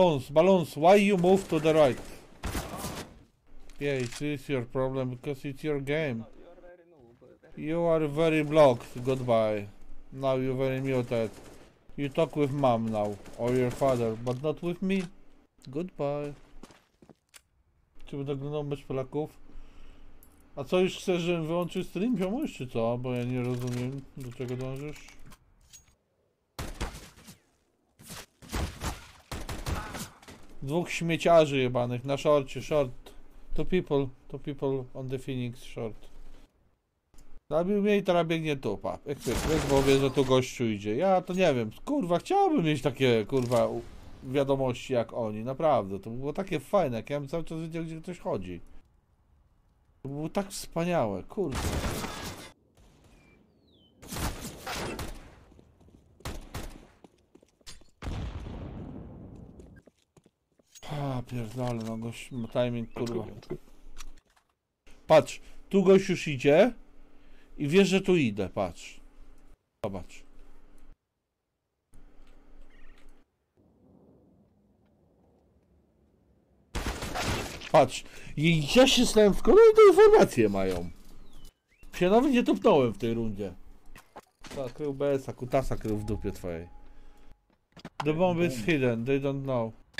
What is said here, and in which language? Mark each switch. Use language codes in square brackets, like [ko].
[en] Balons, why you move to the right? Yeah, it is your problem, because it's your game. You are very blocked, goodbye. Now you're very muted. You talk with mom now, or your father, but not with me. Goodbye. [pl] Czy będę oglądał mecz Polaków? A co, już chcesz, żebym wyłączył stream, ziomuś, czy co? Bo ja nie rozumiem, do czego dążysz. Dwóch śmieciarzy jebanych na shorcie, short. [en] To people on the Phoenix short. [pl] Zabił mnie i teraz biegnie tu, pa. Ekspres, bo wie, że tu gościu idzie. Ja to nie wiem, kurwa, chciałbym mieć takie, kurwa, wiadomości jak oni, naprawdę. To było takie fajne, jak ja bym cały czas wiedział, gdzie ktoś chodzi. To było tak wspaniałe, kurwa. A, pierdolę, no gość, timing, kurwa. Patrz, tu gość już idzie. I wiesz, że tu idę, patrz. Zobacz. Patrz. I ja się stałem w kolejne te informacje mają. Się nawet nie tupnąłem w tej rundzie. Tak, krył BS-a, kutasa krył w dupie twojej. [en] The bomb is hidden, they don't know.